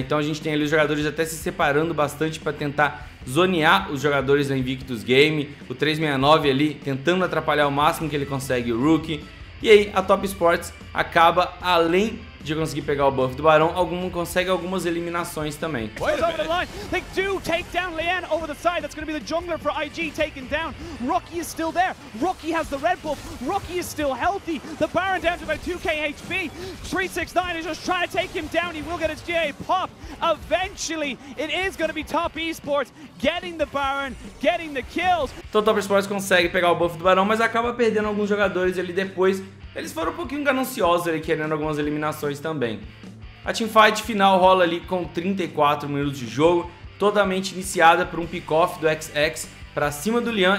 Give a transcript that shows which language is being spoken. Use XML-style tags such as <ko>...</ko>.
<pt>Então a gente tem ali os jogadores até se separando bastante para tentar zonear os jogadores da Invictus Game. O 369 ali tentando atrapalhar o máximo que ele consegue o Rook. E aí a Top Sports acaba, além de conseguir pegar o buff do Barão, algum consegue algumas eliminações também.</pt> <en>They do take down Lian over the side. That's going to be the jungler for IG taken down. Rocky is still there. Rocky has the red buff. Rocky is still healthy. The Baron down to about 2k HP. 369 is just trying to take him down. He will get his GA pop. Eventually, it is going to be Top Esports getting the Baron, getting the kills.</en> <pt>Então, Top Esports consegue pegar o buff do Barão, mas acaba perdendo alguns jogadores ali depois. Eles foram um pouquinho gananciosos ali, querendo algumas eliminações também. A teamfight final rola ali com 34 minutos de jogo, totalmente iniciada por um pick-off do XX pra cima do Lian.</pt>